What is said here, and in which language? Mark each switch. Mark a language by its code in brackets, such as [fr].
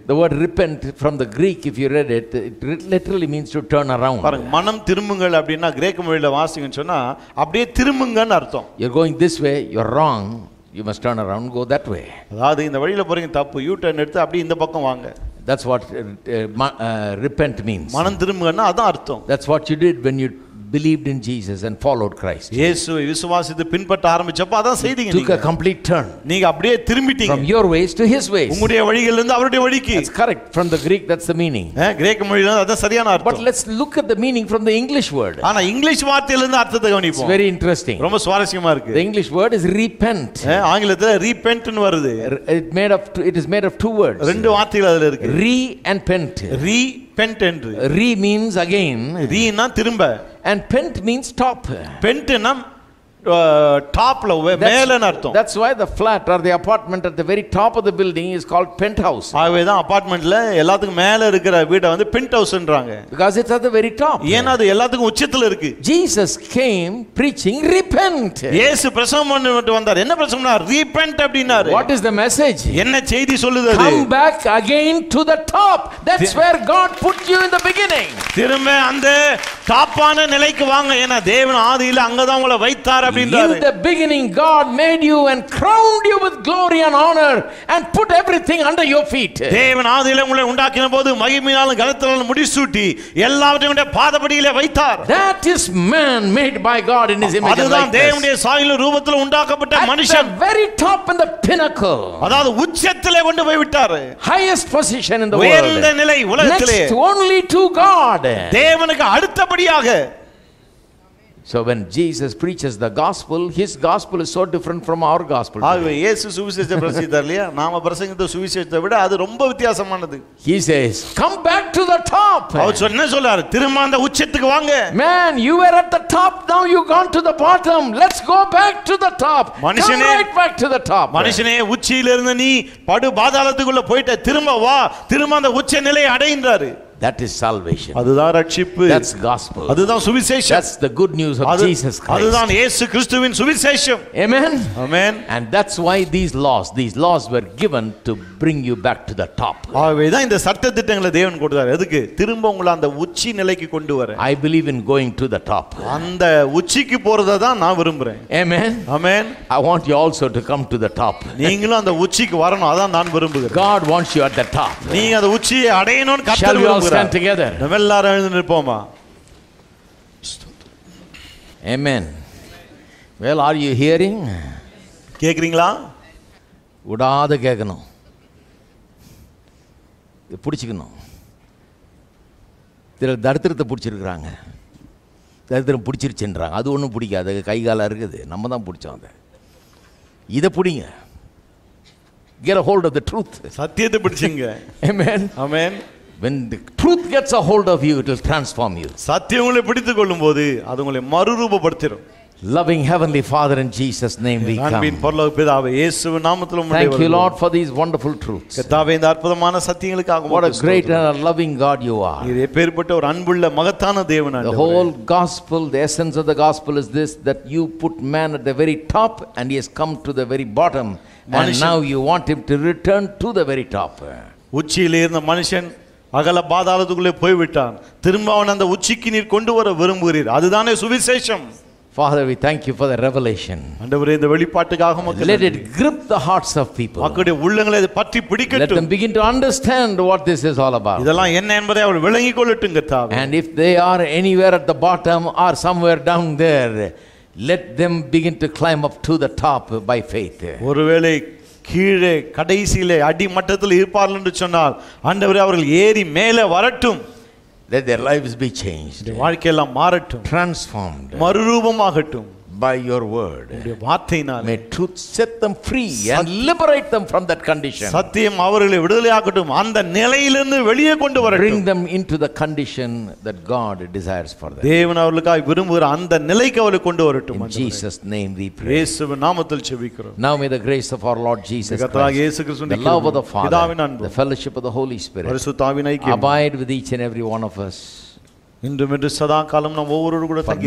[en] The word repent from the Greek if you read it it literally means to turn around. [ta] பாருங்க மனம் திரும்புங்கள் அப்படினா கிரேக்க மொழியில வாசிங்கன்னு சொன்னா அப்படியே திரும்புங்கன்னு அர்த்தம். [en] You're going this way you're wrong. You must turn around go that way. [ta] அதாவது இந்த வழியில போறீங்க தப்பு U-turn எடுத்து அப்படியே இந்த பக்கம் வாங்க. [en] That's what repent means. [ta] மனம் திரும்புங்கனா அதான் அர்த்தம். [en] That's what you did when you believed in Jesus and followed Christ. [ta] இயேசு விசுவாசித்து பின்பற்ற ஆரம்பிச்சப்ப அதான் செய்தீங்க நீங்க. [en] Took a complete turn. [ta] நீங்க அப்படியே திரும்பிட்டீங்க. [en] From your ways to his ways. [ta] உங்களுடைய வழியில இருந்து அவருடைய வழிக்கு. [en] That's correct. From the Greek that's the meaning. [ta] கிரேக்க மொழியில அதான் சரியான அர்த்தம். [en] But let's look at the meaning from the English word. [ta] ஆனா இங்கிலீஷ் வார்த்தையில இருந்து அர்த்தத்தை கவனிப்போம். [en] It's very interesting. [ta] ரொம்ப சுவாரஸ்யமா இருக்கு. [en] The English word is repent. [ta] ஆங்கிலத்துல repent னு வருது. [en] It is made of two words. [ta] ரெண்டு வார்த்தைகள் அதுல இருக்கு. [en] Re and pent. [ta] Repent என்று. [en] Re means again. [ta] Re னா திரும்ப. [en] And pent means stop. [ta] Pent னா [en] Top level, [ta] மேல அர்த்தம். [en] That's why the flat or the apartment at the very top of the building is called penthouse. [ta] ஆகவே தான் அபார்ட்மெண்ட்ல எல்லாத்துக்கும் மேல இருக்கிற வீட வந்து பென்ட்ஹவுஸ்ன்றாங்க. [en] Because it's at the very top. [ta] ஏன்னா அது எல்லாத்துக்கும் உச்சத்துல இருக்கு. [en] Jesus came preaching repent. [ta] இயேசு பிரசங்கம் பண்ணிட்டு வந்தார். என்ன பிரசங்கம்னா repent அப்படினாரு. [en] What is the message? [ta] என்ன செய்தி சொல்லுது அது? [en] Come back again to the top. That's where God put you in the beginning. [ta] திரும்ப அந்த தாப்பான நிலைக்கு வாங்க. ஏன்னா தேவன் ஆதியில அங்க தான் உங்களை வைத்தார். [en] In the beginning God made you and crowned you with glory and honor and put everything under your feet. [ta] தேவன் ஆதியிலே உங்களை உண்டாக்கின போது மகிமையாலும் கனத்தாலும் முடிசூட்டி எல்லாவற்றையும் பாதபடியிலே வைத்தார். [en] That is man made by God in his image. [ta] அதுதான் தேவனுடைய சாயல் ரூபத்தில் உண்டாக்கப்பட்ட மனுஷன். [en] At the very top and the pinnacle. [ta] அதாவது உச்சத்திலே கொண்டு போய் விட்டார். [en] Highest position in the world. [ta] உயர்ந்த நிலை உலகத்திலே. [en] Next only to God. [ta] தேவனுக்கு அடுத்தபடியாக. [en] So when Jesus preaches the gospel, his gospel is so different from our gospel. [ta] ஆகவே இயேசு சுவிசேஷம் பிரசங்கித்தார்லையா, நாம பிரசங்கித்த சுவிசேஷத்தை விட அது ரொம்ப வித்தியாசமானது. [en] He says, come back to the top. [ta] அவர் சொன்ன சொல்றாரு, திரும்ப அந்த உச்சத்துக்கு வாங்க. [en] Man, you were at the top, now you gone to the bottom. Let's go back to the top. [ta] மனுஷனே, [en] come right back to the top. [ta] மனுஷனே, உச்சியில இருந்து நீ படு பாதாளத்துக்குள்ள போய்ட்ட, திரும்ப வா, திரும்ப அந்த உச்ச நிலையை அடைந்தாரு. [en] That is salvation. [ta] அதுதான் இரட்சிப்பு. [en] That's gospel. [ta] அதுதான் சுவிசேஷம். [en] That's the good news of Jesus Christ. [ta] அதுதான் இயேசு கிறிஸ்துவின் சுவிசேஷம். [en] Amen. Amen. And that's why these laws were given to bring you back to the top. [ta] ஆகவே தான் இந்த சட்ட திட்டங்களை தேவன் கொடுத்தார். எதுக்கு? திரும்ப உங்களை அந்த உச்சி நிலைக்கு கொண்டு வர. [en] I believe in going to the top. [ta] அந்த உச்சிக்கு போறதை தான் நான் விரும்பறேன். [en] Amen. Amen. I want you also to come to the top. [ta] நீங்களும் அந்த உச்சிக்கு வரணும். அதான் நான் விரும்புகிறேன். [en] God wants you at the top. [ta] நீ அந்த உச்சியை அடையணும்னு கர்த்தர் விரும்புகிறார். [en] Stand together. [ta] நாம் எல்லாரும் எழுந்து நிற்போமா? [en] Amen. Well, are you hearing? [ta] கேக்குறீங்களா? விடாத கேக்கணும். பிடிச்சிக்கணும். சில தரித்திரத்தை பிடிச்சிருக்கிறாங்க. தரித்திரம் பிடிச்சிருச்சுன்றாங்க. அது ஒன்றும் பிடிக்காது. கை காலம் இருக்குது. நம்ம தான் பிடிச்சோம் அதை. இதை பிடிங்க. [en] Get a hold of the truth. [ta] சத்தியத்தை பிடிச்சிங்க. [en] Amen. Amen. When the truth gets a hold of you, it will transform you. [ta] சத்தியங்களை பிடித்துக்கொள்ளும்போது அது உங்களை மறுரூபப்படுத்திடும். [en] Loving Heavenly Father, in Jesus' name we come. [ta] அன்பின் பரலோக பிதாவே, இயேசுவின் நாமத்தில் உம்மை வணங்குகிறோம். [en] Thank you, Lord, for these wonderful truths. [ta] கர்த்தாவே, இந்த அற்புதமான சத்தியங்களுக்காக, [en] what a great and a loving God you are. [ta] நீர் எப்பேர்ப்பட்ட ஒரு அன்புள்ள மகத்தான தேவனாய் இருக்கிறீர். [en] The whole gospel, the essence of the gospel is this, that you put man at the very top and he has come to the very bottom. And now you want him to return to the very top. [ta] உச்சியில் இருந்த மனுஷன் அகல பாதாளத்துக்குள்ளே போய்விட்டான். திரும்ப அவன் அந்த உச்சிக்கு நீர் கொண்டு வர விரும்புகிறீர். அதுதானே சுவிசேஷம். [en] Father, we thank you for the revelation. [ta] ஆண்டவரே, இந்த வெளிப்பாட்டுக்காக உமக்கு நன்றி. [en] Let it grip the hearts of people. [ta] மக்களுடைய உள்ளங்களை இது பற்றி பிடிக்கட்டும். [en] Let them begin to understand what this is all about. [ta] இதெல்லாம் என்ன என்பதை அவர்கள் விளங்கிக் கொள்ளட்டும் கர்த்தாவே. [en] And if they are anywhere at the bottom or somewhere down there, let them begin to climb up to the top by faith. [ta] ஒருவேளை கீழே கடைசியிலே அடிமட்டத்தில் இருப்பார்கள் என்று சொன்னால் ஆண்டவரே அவர்கள் ஏறி மேலே வரட்டும். [en] Let their lives be changed. Their [ta] வாழ்க்கையில மாறட்டும். [en] Transformed. [ta] மறுரூபமாகட்டும். [en] By your word. [ta] உம்முடைய வார்த்தையினால். [en] May truth set them free and liberate them from that condition. [ta] சத்தியம் அவர்களை விடுதலையாக்கட்டும். அந்த நிலையிலிருந்து வெளியே கொண்டு வரட்டும். [en] Bring them into the condition that God desires for them. [ta] தேவன் அவர்களுக்காக விரும்புகிற அந்த நிலைக்கு அவர்களை கொண்டு வரட்டும். [en] In Jesus name we pray. [ta] இயேசுவின் நாமத்தில் ஜெபிக்கிறோம். [en] Now may the grace of our Lord Jesus Christ. [ta] கர்த்தராகிய இயேசு கிறிஸ்துவின் [en] love of the Father. [ta] பிதாவின் அன்பு. [en] The fellowship of the Holy Spirit. [ta] பரிசுத்த ஆவியின் ஐக்கியம். [en] Abide with each and every one of us. [ta] இன்றும் என்றும் சதாகாலம் நாம் ஒவ்வொருவரோடு கூட தங்கி